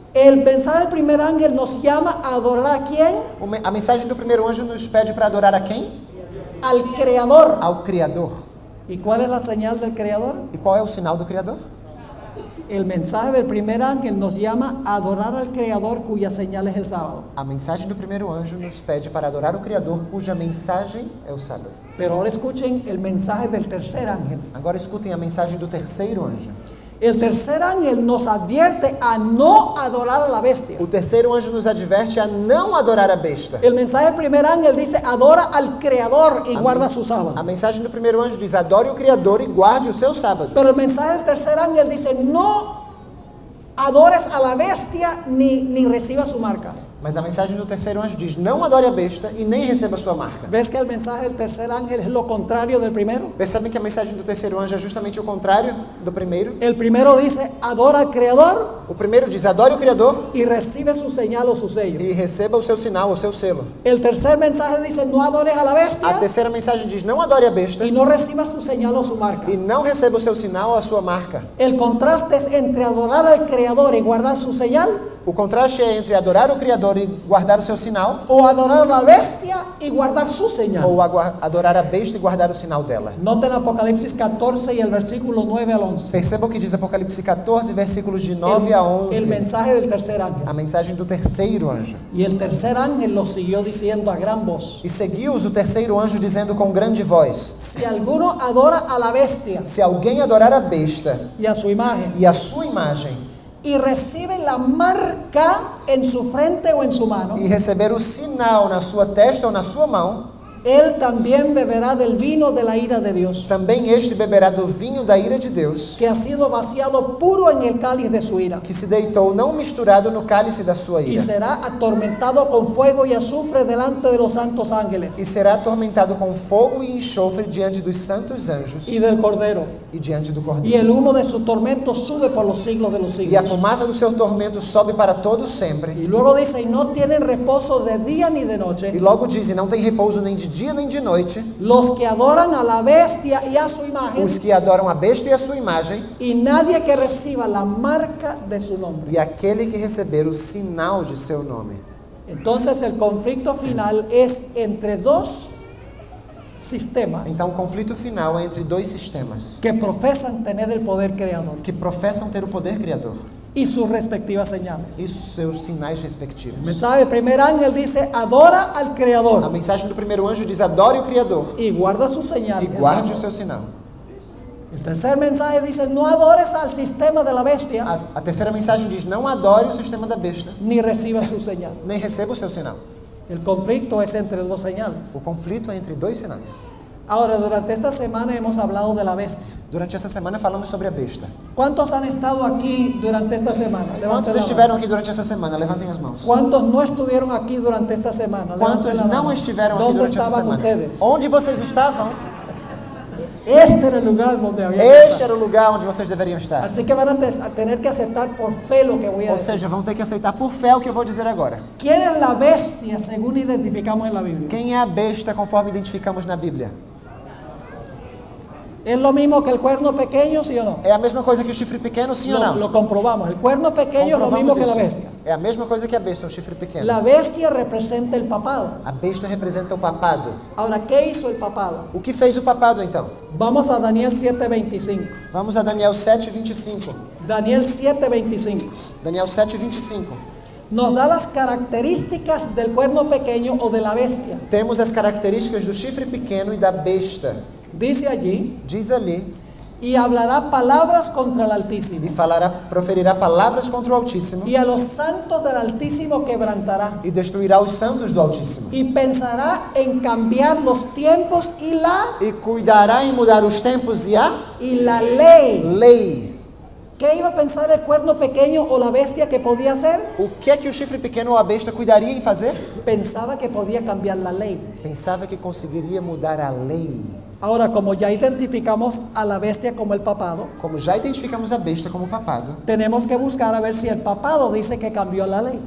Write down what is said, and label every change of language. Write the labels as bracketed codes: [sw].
[es] El mensaje del primer ángel nos llama a adorar a quién? [pt] A mensagem do primeiro anjo nos pede para adorar a quem? [es] Al creador. [pt] Ao criador. [es] ¿Y cuál es la señal del creador? [pt] E qual é o sinal do criador? [es] El mensaje del primer ángel nos llama a adorar al creador cuya señal es el sábado. [pt] A mensagem do primeiro anjo nos pede para adorar o criador cuja mensagem é o sábado. [es] Pero ahora escuchen el mensaje del tercer ángel. [pt] Agora escutem a mensagem do terceiro anjo. [es] El tercer ángel nos advierte a no adorar a la bestia. [pt] O terceiro anjo nos adverte a não adorar a besta. [es] El mensaje del primer ángel dice adora al creador y guarda su sábado. [pt] A mensagem do primeiro anjo diz adore o criador e guarde o seu sábado. [es] Pero el mensaje del tercer ángel dice no adores a la bestia ni reciba su marca. [pt] Mas a mensagem do terceiro anjo diz: não adore a besta e nem receba sua marca. Vês que a mensagem do terceiro anjo é o contrário do primeiro? Percebe que a mensagem do terceiro anjo é justamente o contrário do primeiro? O primeiro diz: adora o criador. O primeiro diz: adore o criador. E receba seu sinal ou seu selo. E receba o seu sinal ou seu selo. O terceiro mensagem diz: não adore a la bestia. A terceira mensagem diz: não adore a besta. E não receba seu sinal ou sua marca. E não receba o seu sinal ou a sua marca. O contraste é entre adorar o criador e guardar seu sinal. O contraste é entre adorar o criador e guardar o seu sinal, ou adorar a bestia e guardar seu sinal, ou adorar a besta e guardar o sinal dela. Note no Apocalipse 14 e o versículo 9 ao 11. Perceba o que diz Apocalipse 14, versículos de 9 a 11. [es] El mensaje del tercer ángel. [pt] A mensagem do terceiro anjo. [es] E el tercer ángel lo siguió diciendo a gran voz. [pt] E seguiu-os o terceiro anjo dizendo com grande voz. [es] Si alguno adora a la bestia. [pt] Se alguém adorar a besta. E a sua imagem. E a sua imagem. [es] Y recibe la marca en su frente o en su mano. [pt] E receber o sinal na sua testa ou na sua mão. [es] Él también beberá del vino de la ira de Dios. [pt] Também este beberá do vinho da ira de Deus. [es] Que ha sido vaciado puro en el cáliz de su ira. [pt] Que se deitou não misturado no cálice da sua ira. [es] Y será atormentado con fuego y azufre delante de los santos ángeles. [pt] E será atormentado com fogo e enxofre diante dos santos anjos. [es] Y del cordero. [pt] E diante do cordeiro. [es] Y el humo de su tormento sube por los siglos de los siglos. [pt] E a fumaça do seu tormento sobe para todo sempre. [es] Y luego dice y no tienen reposo de día ni de noche. [pt] E logo diz e não tem repouso nem de dia nem de noite. [es] Los que adoran a la bestia y a su imagen. [pt] Os que adoram a besta e a sua imagem. [es] Y nadie que reciba la marca de su nombre. [pt] E aquele que receber o sinal de seu nome. [es] Entonces el conflicto final es entre dos sistemas. [pt] Então o conflito final é entre dois sistemas. [es] Que profesan tener el poder creador. [pt] Que professam ter o poder criador. [es] Y sus respectivas señales. [pt] E seus sinais respectivos. [es] El mensaje del primer ángel dice: adora al creador. [pt] A mensagem do primeiro anjo diz: adore o criador. [es] Y guarda sus señales. [pt] E guarde o seu sinal. [es] El tercer mensaje dice: no adores al sistema de la bestia. [pt] A terceira mensagem diz: não adore o sistema da besta. [es] Ni reciba su señal. [pt] Nem receba o seu sinal. [es] El conflicto es entre dos señales. [pt] O conflito é entre dois sinais. [es] Ahora, durante esta semana hemos hablado de la bestia. [pt] Durante essa semana falamos sobre a besta. [es] ¿Cuántos han estado aquí durante esta semana? [pt] ¿Cuántos estiveram aqui durante essa semana? Levantem as mãos. [es] ¿Cuántos no estuvieron aquí durante esta semana? [pt] ¿Cuántos não estiveram aqui durante esta semana? [es] Ustedes? [pt] Onde vocês estavam? [es] Este era el lugar donde había. [pt] Este era o lugar onde vocês deveriam estar. [es] Así que van a tener que aceptar por fé lo que voy a [pt] decir. Ou seja, vão ter que aceitar por fé o que eu vou dizer agora. [es] ¿Quién es la bestia según identificamos en la Biblia? [pt] Quem é a besta conforme identificamos na Bíblia? [es] ¿Es lo mismo que el cuerno pequeño, sí o no? [pt] É a mesma coisa que o chifre pequeno, sim ou não? [es] Lo comprobamos. El cuerno pequeño es lo mismo que la bestia. [pt] É a mesma coisa que a besta, o chifre pequeno. [es] La bestia representa el papado. [pt] A besta representa o papado. [es] Ahora, ¿qué hizo el papado? [pt] O que fez o papado então? [es] Vamos a Daniel 7:25. Vamos a Daniel 7:25. Daniel 7:25. Daniel 7:25. [pt] Nos dá as características [es] del cuerno pequeño o de la bestia. [pt] Temos as características do chifre pequeno e da besta. [es] Dice allí, [pt] diz ali, [es] y hablará palabras contra el Altísimo. [pt] E falará, proferirá palavras contra o Altíssimo. [es] Y a los santos del Altísimo quebrantará. [pt] E destruirá os santos do Altíssimo. [es] Y pensará en cambiar los tiempos y la. [pt] E cuidará em mudar os tempos e a. [es] Y la ley. [pt] Lei. [es] ¿Qué iba a pensar el cuerno pequeño o la bestia que podía hacer? [pt] O que é que o chifre pequeno ou a besta cuidaria em fazer? [es] Pensaba que podía cambiar la ley. [pt] Pensava que conseguiria mudar a lei. [es] Ahora, como ya identificamos a la bestia como el papado, [pt] como já identificamos a besta como papado, [es] tenemos que buscar a ver si el papado dice que cambió la ley.